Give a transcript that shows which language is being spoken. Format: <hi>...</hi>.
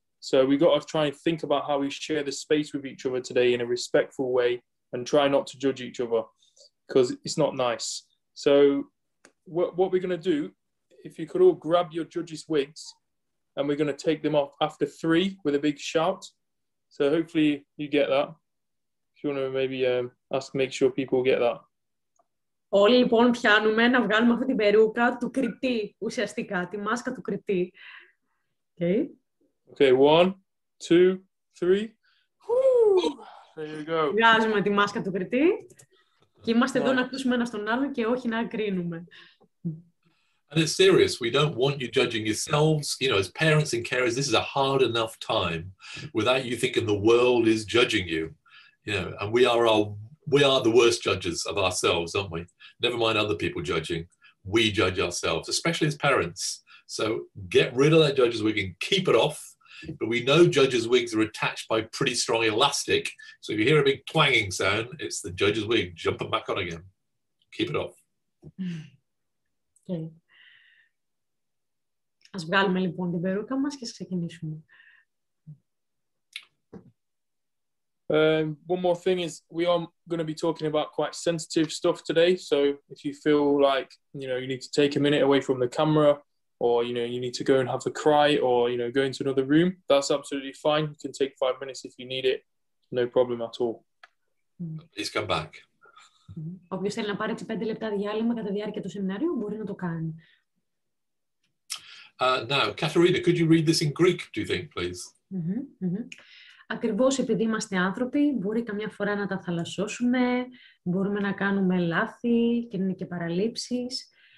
<en>So we got to try and think about how we share the space with each other today in a respectful way and try not to judge each other because it's not nice. So what we're going to do, if you could all grab your judges' wigs and we're going to take them off after three with a big shout. So hopefully you get that. If you want to maybe ask, make sure people get that.</en> <el>Όλοι λοιπόν πιάνουμε να βγάλουμε αυτή την περούκα του κρυπτή, ουσιαστικά, τη μάσκα του κρυπτή.</el> <en>Okay. Okay, one, two, three. There you go.</en> <el>Βγάζουμε τη μάσκα του κρυπτή και είμαστε εδώ να ακούσουμε ένα στον άλλο και όχι να κρίνουμε.</el> <en>And it's serious. We don't want you judging yourselves. You know, as parents and carers, this is a hard enough time without you thinking the world is judging you. You know, and we are the worst judges of ourselves, aren't we? Never mind other people judging. We judge ourselves, especially as parents. So get rid of that judge's wig and keep it off. But we know judge's wigs are attached by pretty strong elastic. So if you hear a big twanging sound, it's the judge's wig jumping back on again. Keep it off. Okay.</en> <el>Ας βγάλουμε λοιπόν την περούκα μας και ξεκινήσουμε.</el> <en>One more thing is we are going to be talking about quite sensitive stuff today. So if you feel like, you know, you need to take a minute away from the camera, or, you know, you need to go and have a cry, or, you know, go into another room, that's absolutely fine. You can take 5 minutes if you need it. No problem at all. Please come back.</en> <el>Όποιος θέλει να πάρει έτσι 5 λεπτά διάλειμμα κατά διάρκεια του σεμινάριου, μπορεί να το κάνει.</el> <en>Now, Katerina, could you read this in Greek, do you think, please?</en> <el>Ακριβώς επειδή είμαστε άνθρωποι, μπορεί καμιά φορά να τα θαλασσώσουμε, μπορούμε να κάνουμε λάθη και είναι και παραλήψεις.</el>